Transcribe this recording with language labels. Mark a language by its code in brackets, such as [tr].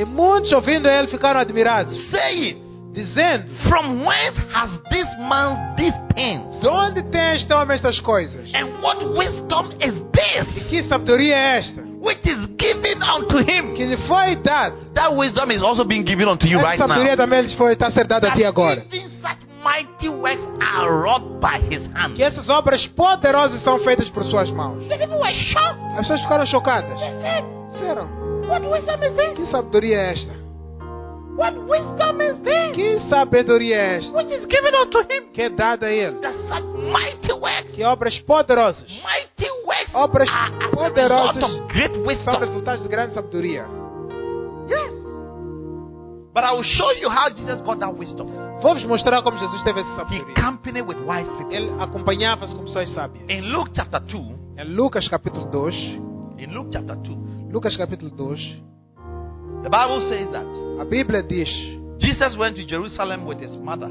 [pt] E muitos ouvindo ele ficaram admirados. [en] Saying, [pt] dizendo, [en] from whence has this man these things? [pt] De onde tem este homem estas coisas? [en] And what wisdom is this? [pt] E que sabedoria é esta? [en] Which is given unto him. [pt] Que lhe foi dado. [en] That wisdom is also being given unto you right now. [pt] Essa sabedoria também lhe foi estar dada a ti agora. [en] Even such mighty works are wrought by his hands. [pt] Que essas obras poderosas são feitas por suas mãos. [en] The people were shocked. [pt] As pessoas ficaram chocadas. Disseram, [en] what wisdom is this? [pt] Que sabedoria é esta? [en] What wisdom is this? [pt] Que sabedoria é esta? [en] Which is given unto him. [pt] Que é dada a ele. [en] That such mighty works. [pt] Que obras poderosas. [en] Mighty works. [pt] Obras [en] are [pt] poderosas. [en] As a result of great wisdom. [pt] São resultados de grande sabedoria. [en] Yes. But I will show you how Jesus got that wisdom. [pt] Vou-vos mostrar como Jesus teve essa sabedoria. [en] He accompanied with wise people. [pt] Ele acompanhava-se com pessoas sábias. [en] In Luke chapter 2. [pt] Em Lucas capítulo 2. [en] In Luke chapter 2. [pt] Lucas capítulo 2. [en] The Bible says that. [pt] A Bíblia diz. [en] Jesus went to Jerusalem with his mother.